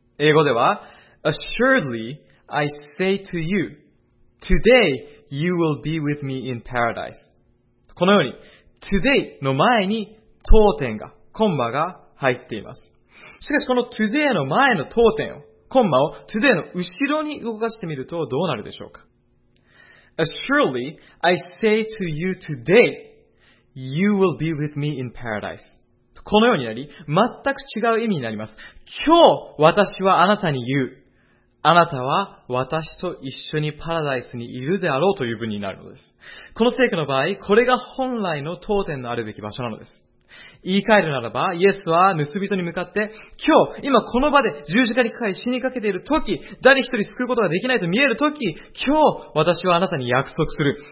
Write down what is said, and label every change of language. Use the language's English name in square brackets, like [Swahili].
[Japanese] 英語では、 [English] Assuredly, I say to you, today you will be with me in paradise. [Japanese] このように、today の前に当点が、コンマが入っています。しかしこの today の前の当点を、コンマを today の後ろに動かしてみるとどうなるでしょうか。 [English] Assuredly, I say to you today, you will be with me in paradise. [Japanese] このようになり、全く違う意味になります。今日、私はあなたに言う。あなたは私と一緒にパラダイスにいるであろうという文になるのです。この聖句の場合、これが本来の当点のあるべき場所なのです。言い換えるならば、イエスは盗人に向かって、今日、今この場で十字架にかかり死にかけているとき、誰一人救うことができないと見えるとき、今日、私はあなたに約束する。